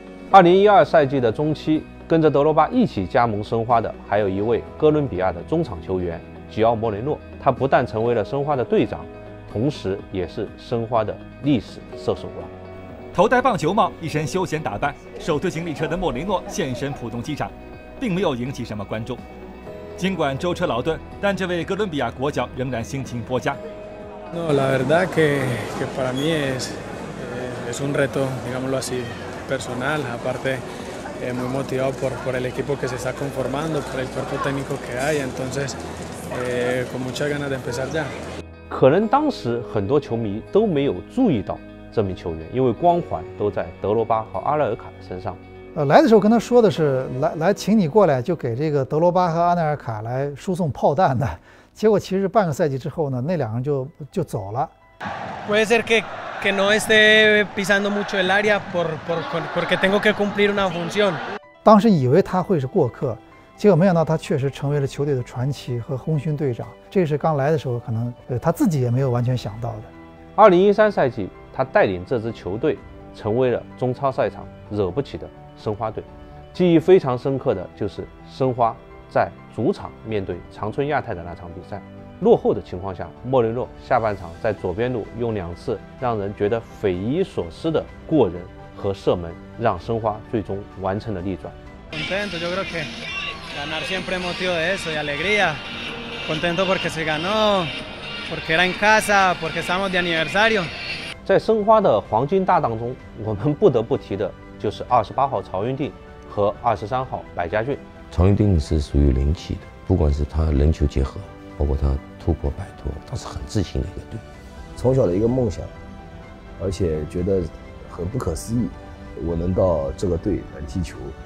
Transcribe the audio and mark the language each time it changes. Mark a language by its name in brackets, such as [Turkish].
[Chinese] 2012赛季的中期，跟着德罗巴一起加盟申花的还有一位哥伦比亚的中场球员吉奥莫雷诺，他不但成为了申花的队长，同时也是申花的历史射手王。头戴棒球帽，一身休闲打扮，手推行李车的莫雷诺现身浦东机场，并没有引起什么关注。尽管舟车劳顿，但这位哥伦比亚国脚仍然心情颇佳。 [Spanish] No, la verdad que para mí es un reto, digámoslo así, personal. Aparte, muy motivado por el equipo que se está conformando, por el cuerpo técnico que hay. Entonces, con muchas ganas de empezar ya. [Chinese] 可能当时很多球迷都没有注意到这名球员，因为光环都在德罗巴和阿勒尔卡的身上。来的时候跟他说的是来请你过来，就给这个德罗巴和阿内尔卡来输送炮弹的。结果其实半个赛季之后呢，那两人就走了。 [Spanish] Puede ser que no esté pisando mucho el área porque tengo que cumplir una función。 [Chinese] 当时以为他会是过客，结果没想到他确实成为了球队的传奇和功勋队长。这是刚来的时候可能他自己也没有完全想到的。 2013赛季，他带领这支球队成为了中超赛场惹不起的申花队。记忆非常深刻的就是申花在主场面对长春亚泰的那场比赛，落后的情况下，莫雷诺下半场在左边路用两次让人觉得匪夷所思的过人和射门，让申花最终完成了逆转。 [Spanish] Contento, yo creo que ganar siempre motivo de eso y alegría. Contento porque se ganó, porque era en casa, porque estamos de aniversario. [Chinese] 在申花的黄金搭档中，我们不得不提的就是28号曹云定和23号白家俊。曹云定是属于灵气的，不管是他人球结合，包括他突破摆脱，他是很自信的一个队。从小的一个梦想，而且觉得很不可思议，我能到这个队来踢球。